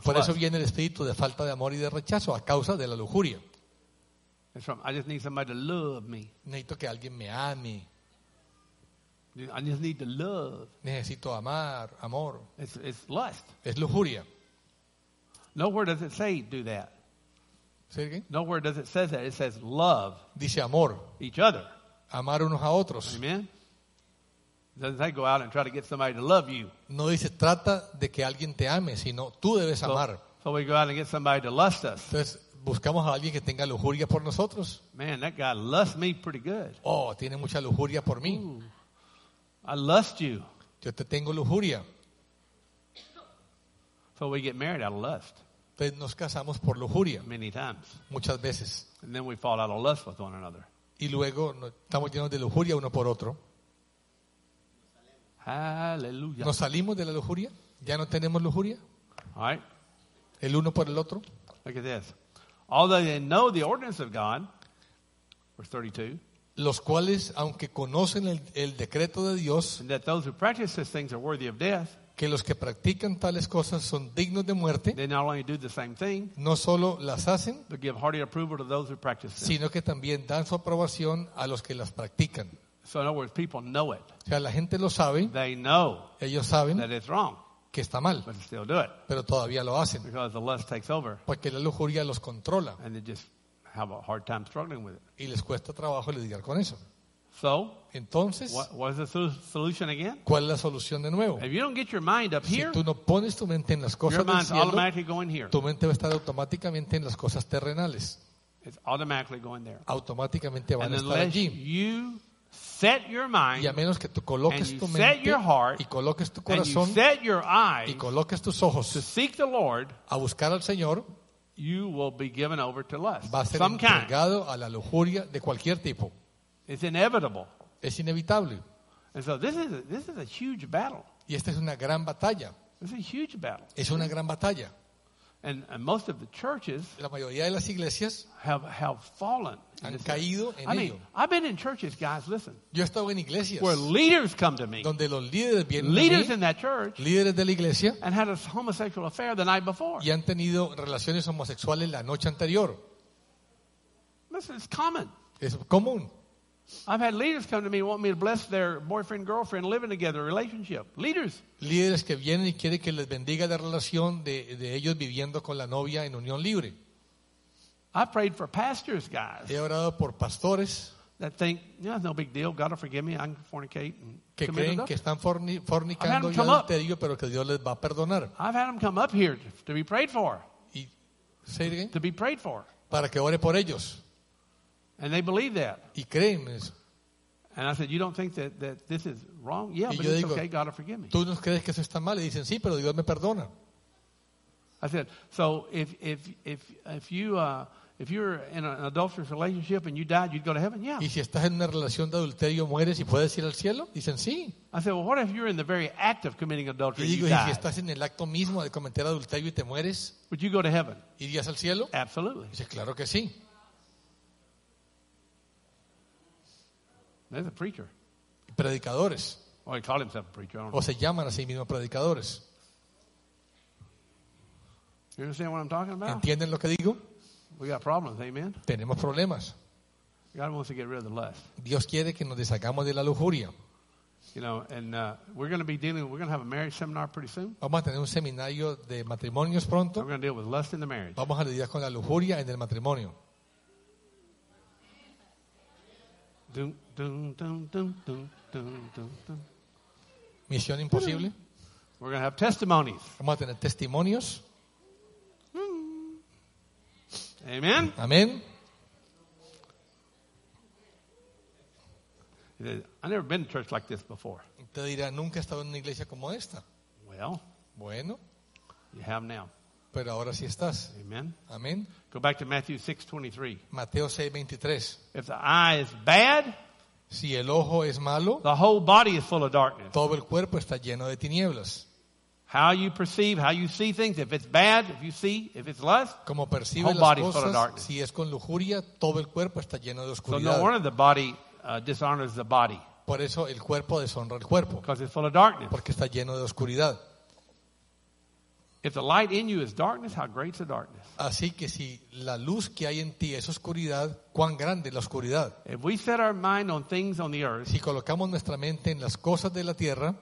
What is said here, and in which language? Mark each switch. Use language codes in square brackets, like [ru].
[es] Por eso viene el espíritu de falta de amor y de rechazo a causa de la lujuria. [en] It's from, I just need somebody to love me. [es] Necesito que alguien me ame. [en] I just need to love. [es] Necesito amar, amor. [en] It's lust. [es] Es lujuria. [en] Nowhere does it say do that. ¿Say again? Nowhere does it say that. It says love. [es] Dice amor. [en] Each other. [es] Amar unos a otros. Amen. [en] Doesn't say go out and try to get somebody to love you. [es] No dice trata de que alguien te ame, sino tú debes amar. [en] So we go out and get somebody to lust us. [es] Entonces buscamos a alguien que tenga lujuria por nosotros. [en] Man, that guy lusts me pretty good. [es] Oh, tiene mucha lujuria por mí. [en] I lust you. [es] Yo te tengo lujuria. [en] So we get married out of lust. [es] Entonces nos casamos por lujuria. [en] Many times. [es] Muchas veces. [en] And then we fall out of lust with one another. [es] Y luego estamos llenos de lujuria uno por otro. Hallelujah. ¿Nos salimos de la lujuria? ¿Ya no tenemos lujuria? [en] All right. [es] ¿El uno por el otro? [en] Look at this. Although they know the ordinance of God, verse 32, [es] los cuales, aunque conocen el decreto de Dios, [en] and that those who practice these things are worthy of death, [es] que los que practican tales cosas son dignos de muerte, [en] they not only do the same thing, [es] no solo las hacen, [en] but give hearty approval to those who practice them, [es] sino que también dan su aprobación a los que las practican. [en] So in other words, people know it. [es] O sea, la gente lo sabe. [en] They know. [es] Ellos saben [en] that it's wrong. [es] Que está mal. [en] But they still do it. [es] Pero todavía lo hacen. [en] Because the lust takes over. [es] Porque la lujuria los controla. [en] And they just have a hard time struggling with it. [es] Y les cuesta trabajo lidiar con eso. [en] So, [es] entonces, [en] what is the solution again? [es] ¿Cuál es la solución de nuevo? [en] If you don't get your mind up here, [es] si tú no pones tu mente en las cosas [en] your mind's [es] del cielo, [en] automatically going here. [es] Tu mente va a estar automáticamente en las cosas terrenales. [en] It's automatically going there. [es] Automáticamente van [en] and [es] a estar allí. [en] You set your mind, [es] y a menos que tú coloques [en] and [es] tu [en] set [es] mente, [en] your heart, [es] y coloques tu corazón, [en] and you set your eyes, [es] y coloques tus ojos, [en] to seek the Lord, [es] a buscar al Señor, [en] you will be given over to lust. [es] Va a ser [en] some [es] entregado [en] kind. [es] A la lujuria de cualquier tipo. [en] It's inevitable. [es] Es inevitable. [en] And so this is a huge battle. [es] Y esta es una gran batalla. [en] It's a huge battle. [es] Es una gran batalla. [en] And most of the churches, [es] la mayoría de las iglesias, [en] have fallen. [es] Han caído en ello. [en] I mean, I've been in churches, guys. Listen. [es] Yo he estado en iglesias. [en] Where leaders come to me. [es] Donde los líderes vienen. [en] Leaders [es] a mí, [en] in that church. [es] Líderes de la iglesia. [en] And had a homosexual affair the night before. [es] Y han tenido relaciones homosexuales la noche anterior. [en] This is common. [es] Es común. [en] I've had leaders come to me and want me to bless their boyfriend, girlfriend, living together, relationship. Leaders. [es] Líderes que vienen y quieren que les bendiga la relación de ellos viviendo con la novia en unión libre. [en] I've prayed for pastors, guys. [es] He orado por pastores. [en] That think, yeah, it's no big deal. God will forgive me. I can fornicate. And [es] que creen que están fornicando y adulterio, pero que Dios les va a perdonar. [en] I've had them come up here to be prayed for. Y, say it again. To be prayed for. [es] Para que ore por ellos. [en] And they believe that. [es] Y creen eso. [en] And I said, you don't think that this is wrong? Yeah, but it's [es] digo, [en] okay, God will forgive me. [es] ¿Tú no crees que eso está mal? Y dicen, sí, pero Dios me perdona. [en] I said, so if you're in an adulterous relationship and you died, you'd go to heaven? Yeah. [es] ¿Y si estás en una relación de adulterio, mueres y puedes ir al cielo? Dicen, sí. [en] I said, well, what if you're in the very act of committing adultery [es] y digo, [en] and you [es] ¿y si estás en el acto mismo de cometer adulterio y te mueres? [en] Would you go to heaven? [es] ¿Irías al cielo? [en] Absolutely. [es] Dice, claro que sí. [en] There's a preacher. [es] Predicadores. [en] Or he called himself a preacher. [es] O se llaman a sí mismos predicadores. [en] You understand what I'm talking about? [es] ¿Entienden lo que digo? [en] We got problems, amen. [es] Tenemos problemas. [en] God wants to get rid of the lust. [es] Dios quiere que nos deshagamos de la lujuria. [en] You know, and we're going to have a marriage seminar pretty soon. [es] Vamos a tener un seminario de matrimonios pronto. [en] We're going to deal with lust in the marriage. [es] Vamos a lidiar con la lujuria en el matrimonio. Dun, dun, dun, dun, dun, dun, dun, dun. Misión imposible. [en] We're going to have testimonies. [es] Vamos a tener testimonios. Amen. Amen. [en] I've never been to church like this before. [es] Te dirá, nunca he estado en una iglesia como esta. [en] Well, [es] bueno. [en] You have now. [es] Pero ahora sí estás. Amen. Amen. [en] Go back to Matthew 6:23. [es] Mateo 6:23. [en] If the eye is bad, [es] si el ojo es malo, [en] the whole body is full of darkness. [es] Todo el cuerpo está lleno de tinieblas. [en] How you perceive, how you see things, if it's bad, if you see, if it's lust, [es] como percibe las cosas, [en] full of darkness. [es] Si es con lujuria, todo el cuerpo está lleno de oscuridad. [en] So no wonder the body dishonors the body. [es] Por eso el cuerpo deshonra el cuerpo. [en] Because it's full of darkness. [es] Porque está lleno de oscuridad. [en] If the light in you is darkness, how great is the darkness? [es] Así que si la luz que hay en ti es oscuridad, cuán grande es la oscuridad. [en] If we set our mind on things on the earth, [es] si colocamos nuestra mente en las cosas de la tierra,